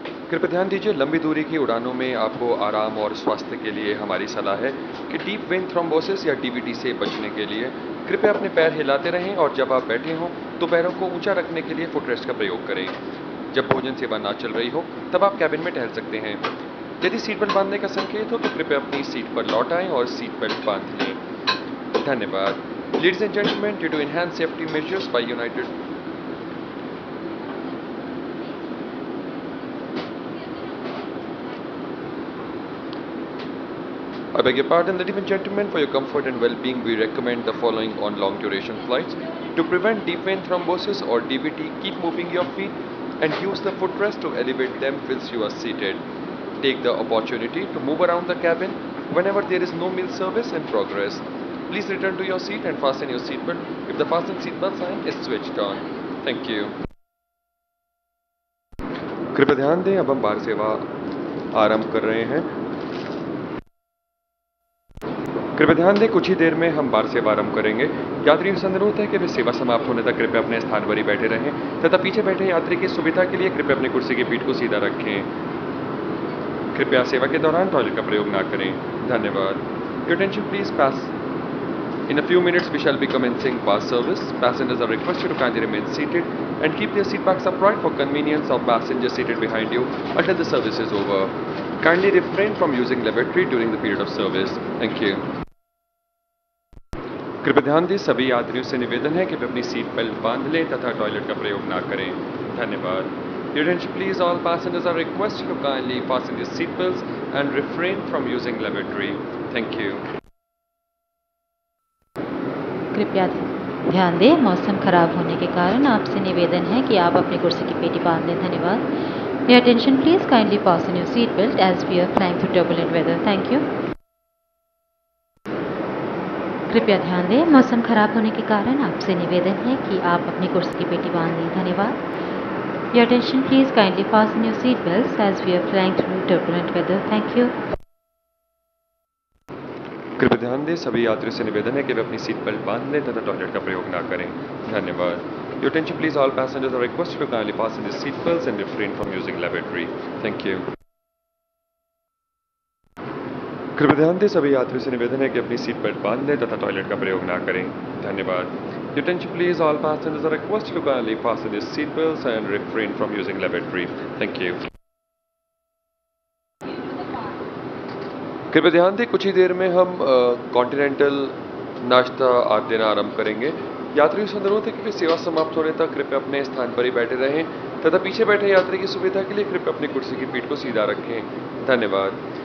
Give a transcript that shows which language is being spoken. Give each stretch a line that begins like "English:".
Hindi: कृपया ध्यान दीजिए, लंबी दूरी की उड़ानों में आपको आराम और स्वास्थ्य के लिए हमारी सलाह है कि डीप वेन थ्रोम्बोसिस या डीवीटी से बचने के लिए कृपया अपने पैर हिलाते रहें और जब आप बैठे हों तो पैरों को ऊंचा रखने के लिए फुटरेस्ट का प्रयोग करें। जब भोजन सेवा ना चल रही हो तब आप कैबिन में टहल सकते हैं। यदि सीट बेल्ट बांधने का संकेत हो तो कृपया अपनी सीट पर लौट आएं और सीट बेल्ट बांध लें। धन्यवाद।
English: Ladies and gentlemen, due to enhance safety measures by United I beg your pardon, ladies and gentlemen, for your comfort and well-being, we recommend the following on long-duration flights. To prevent deep vein thrombosis or DVT, keep moving your feet and use the footrest to elevate them whilst you are seated. Take the opportunity to move around the cabin whenever there is no meal service in progress. Please return to your seat and fasten your seatbelt if the fasten seatbelt sign is switched on. Thank you.
Hindi: कृपया ध्यान दें, अब हम बाहर सेवा आरंभ कर रहे हैं। कृपया ध्यान दें, कुछ ही देर में हम बार सेवा आरंभ करेंगे। यात्रियों से अनुरोध है कि वे सेवा समाप्त होने तक कृपया अपने स्थान पर ही बैठे रहें तथा पीछे बैठे यात्री की सुविधा के लिए कृपया अपनी कुर्सी की पीठ को सीधा रखें। कृपया सेवा के दौरान टॉयलेट का प्रयोग ना करें। धन्यवाद।
English: Your attention please, pass in a few minutes we shall be commencing bus service. Passengers are requested to kindly remain seated and keep their seat backs upright for convenience of passengers seated behind you until the service is over. Kindly refrain from using lavatory during the period of service. Thank you.
Hindi: कृपया ध्यान दें, सभी यात्रियों से निवेदन है कि वे अपनी सीट बेल्ट बांध लें तथा टॉयलेट का प्रयोग ना करें। धन्यवाद।
English: Attention, please, all passengers are requested to kindly fasten your seatbelts and refrain from using lavatory. Thank you.
Hindi: कृपया ध्यान दें, मौसम खराब होने के कारण आपसे निवेदन है कि आप अपने कुर्सी की पेटी बांध लें. धन्यवाद.
English: Your attention, please, kindly fasten your seat belt as we are flying through turbulent weather. Thank you.
Hindi: कृपया ध्यान दें, मौसम खराब होने के कारण आपसे निवेदन है कि आप अपनी कुर्सी की पेटी बांध लें. धन्यवाद.
English: Your attention, please, kindly fasten your seat belts as we are flying through turbulent weather. Thank you.
Hindi: कृपया ध्यान दें, सभी यात्रियों से निवेदन है कि वे अपनी सीट बेल्ट बांध लें तथा टॉयलेट का प्रयोग ना करें. धन्यवाद.
English: Your attention, please, all passengers are requested to kindly fasten their seat belts and refrain from using lavatory. Thank you.
Hindi: कृपया ध्यान दें, सभी यात्रियों से निवेदन है कि अपनी सीट बेल्ट बांध लें तथा टॉयलेट का प्रयोग ना करें. धन्यवाद.
English: Your attention, please, all passengers are requested to kindly fasten their seat belts and refrain from using lavatory. Thank you.
Hindi: कृपया ध्यान दें, कुछ ही देर में हम कॉन्टिनेंटल नाश्ता आज देना आरंभ करेंगे. यात्रियों से अनुरोध है कि वे सेवा समाप्त होने तक कृपया अपने स्थान पर ही बैठे रहें तथा पीछे बैठे यात्री की सुविधा के लिए कृपया अपनी कुर्सी की पीठ को सीधा रखें. धन्यवाद.